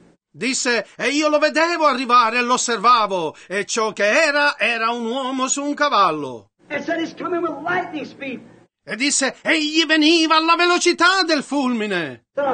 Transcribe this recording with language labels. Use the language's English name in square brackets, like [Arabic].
[Italian] Disse, e io lo vedevo arrivare e l'osservavo, e ciò che era, era un uomo su un cavallo. [English] And said, he's coming with lightning speed. [Italian] E disse, egli veniva alla velocità del fulmine.